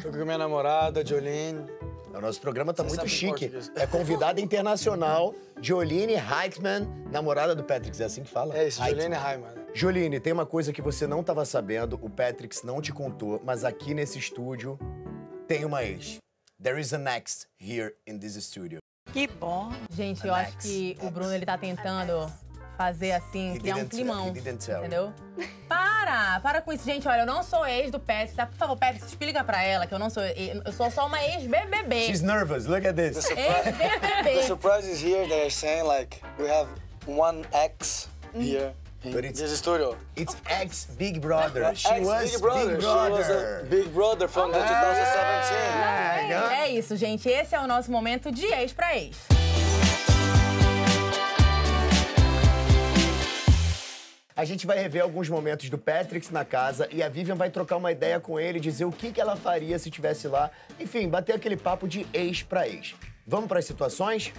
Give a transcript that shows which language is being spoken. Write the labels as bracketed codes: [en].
[pt] Tô aqui com minha namorada, Jolene. O nosso programa tá muito chique. É convidada internacional, Jolene Heitman, namorada do Patrick. É assim que fala? É isso, Jolene Heitman. Jolene, tem uma coisa que você não tava sabendo, o Patrick não te contou, mas aqui nesse estúdio tem uma ex. [en] There is an ex here in this studio. [pt] Que bom. Gente, eu acho que o Bruno, ele tá tentando fazer assim, criar um climão, entendeu? Para com isso. Gente, olha, eu não sou ex do Patrick, tá? Por favor, Patrick, explica pra ela que eu não sou ex, eu sou só uma ex-BBB. [en] She's nervous, look at this. [pt] Ex-BBB. [en] The surprise is here, they're saying, like, we have one ex here. But it's this studio. It's ex Big Brother. She was Big Brother. Big Brother. She was a Big Brother from the 2017. [pt] É isso, gente. Esse é o nosso momento de ex pra ex. A gente vai rever alguns momentos do Patrick na casa e a Vivian vai trocar uma ideia com ele, dizer o que ela faria se tivesse lá. Enfim, bater aquele papo de ex pra ex. Vamos para as situações?